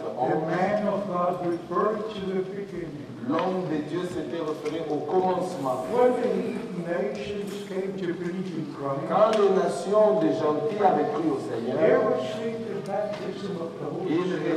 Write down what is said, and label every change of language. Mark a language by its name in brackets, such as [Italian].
[English] the man of God referred to the beginning. [French] L'homme de Dieu s'était référé au commencement. [English] When the nations came to believe in Christ, [French] quand les nations des gentils avaient cru au Seigneur, [English] they received the baptism of the Holy Spirit.